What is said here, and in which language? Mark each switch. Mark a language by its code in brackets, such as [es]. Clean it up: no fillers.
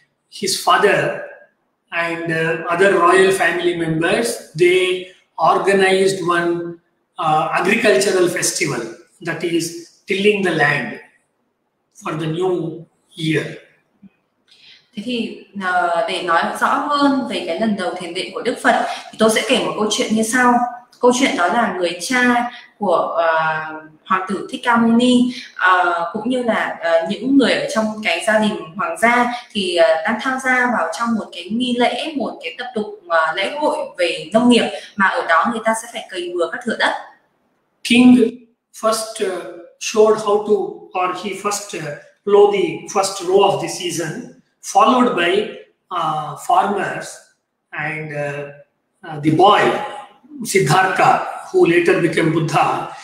[en] His father and other royal family members, they organized one agricultural festival, that is tilling the land for the new year. [vi] Thế thì để nói rõ hơn về cái lần đầu thiền định của Đức Phật thì tôi sẽ kể một câu chuyện như sau. Câu chuyện đó là người cha của hoàng tử Thích Ca Mâu Ni cũng như là những người ở trong cái gia đình hoàng gia thì đang tham gia vào trong một cái nghi lễ, một cái tập tục lễ hội về nông nghiệp mà ở đó người ta sẽ phải cày bừa các thửa đất. [en] King first showed how to, or he first plow the first row of the season, followed by farmers and the boy Siddhartha, who later became Buddha.